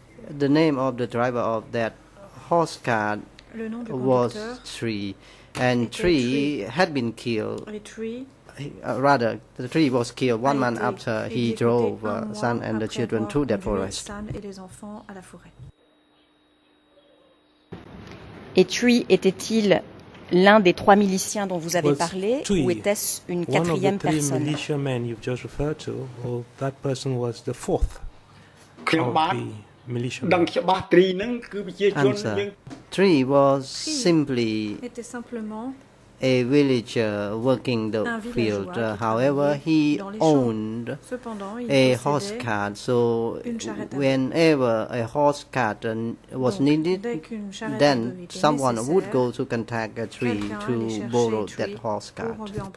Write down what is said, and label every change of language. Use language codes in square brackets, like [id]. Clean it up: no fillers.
[en] The name of the driver of that horse cart was Tree, and Tree had been killed. The tree was killed 1 month after he drove son and the children to that forest. [fr] San et les enfants à la forêt. Et Tree était-il l'un des trois miliciens dont vous avez parlé, ou était-ce une quatrième personne? [en] One of the three militiamen you've just referred to, or that person was the fourth of the militiamen? Answer. Tree was simply a villager working the field. However, he owned a horse cart, so whenever a horse cart was needed, then someone would go to contact a Tree to borrow that horse cart.